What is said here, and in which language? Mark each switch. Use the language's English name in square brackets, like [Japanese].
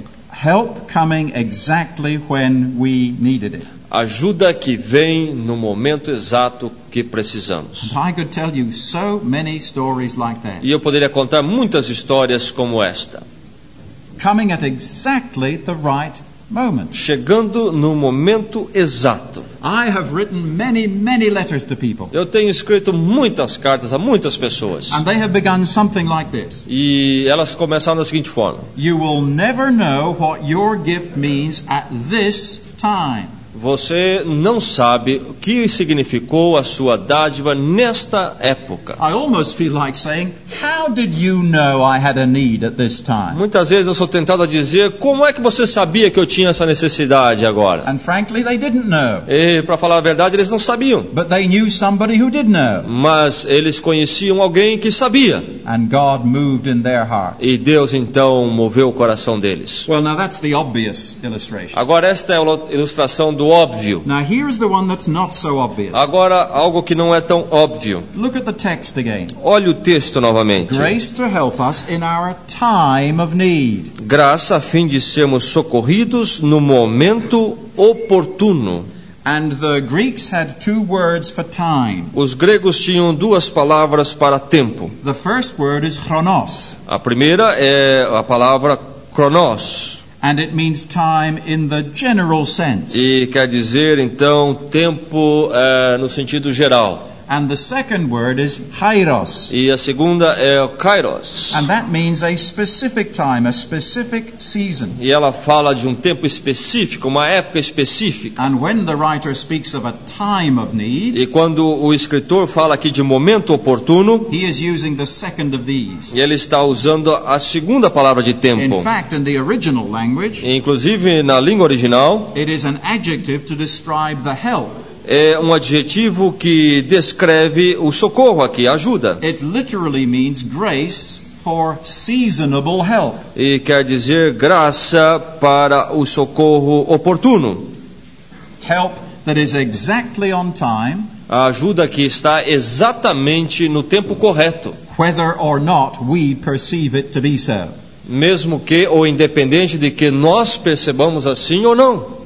[English] Help coming exactly when we needed it. [Portuguese] Ajuda que vem no momento exato que precisamos. [English] I could tell you so many stories like that. [Portuguese] E eu poderia contar muitas histórias como esta. [English] Coming at exactly the right moment. [Portuguese] Chegando no momento exato. [English] I have written many, many letters to people. [Portuguese] Eu tenho escrito muitas cartas a muitas pessoas. [English] And they have begun something like this. [Portuguese] E elas começaram da seguinte forma. [English] You will never know what your gift means at this time. [Portuguese] Você não sabe o que significou a sua dádiva nesta época. [English] I almost feel like saying, how did you know I had a need at this time? [Portuguese] Muitas vezes eu sou tentado a dizer, como é que você sabia que eu tinha essa necessidade agora? [English] And frankly, they didn't know. [Portuguese] E para falar a verdade, eles não sabiam. [English] But they knew somebody who did know. [Portuguese] Mas eles conheciam alguém que sabia. [English] And God moved in their hearts. [Portuguese] E Deus então moveu o coração deles. [English] Well, now that's the obvious illustration. [Portuguese] Agora esta é a ilustração do óbvio. [English] Now here's the one that's not so obvious. [Portuguese] Agora algo que não é tão óbvio. [English] Look at the text again. [Portuguese] Olhe o texto novamente. [English] grace to help us in our time of need. [Portuguese] Graça a fim de sermos socorridos no momento oportuno. [English] And the Greeks had two words for time. [Portuguese] Os gregos tinham duas palavras para tempo. [English] The first word is chronos. [Portuguese] A primeira é a palavra chronos. [English] And it means time in the general sense. [Portuguese] E quer dizer então tempo no sentido geral. [English] And the second word is kairos. [Portuguese] E a segunda é kairos. [English] And that means a specific time, a specific season. [Portuguese] E ela fala de tempo específico, uma época específica. [English] And when the writer speaks of a time of need, [Portuguese] e quando o escritor fala aqui de momento oportuno, [English] he is using the second of these. [Portuguese] E ele está usando a segunda palavra de tempo. [English] In fact, in the original language, [Portuguese] inclusive na língua original, [English] it is an adjective to describe the help. [Portuguese] É adjetivo que descreve o socorro aqui, a ajuda. [English] It literally means grace for seasonable help. [Portuguese] E quer dizer graça para o socorro oportuno. [English] Help that is exactly on time. [Portuguese] A ajuda que está exatamente no tempo correto. [English] Whether or not we perceive it to be so. [Portuguese] Mesmo que ou independente de que nós percebamos assim ou não.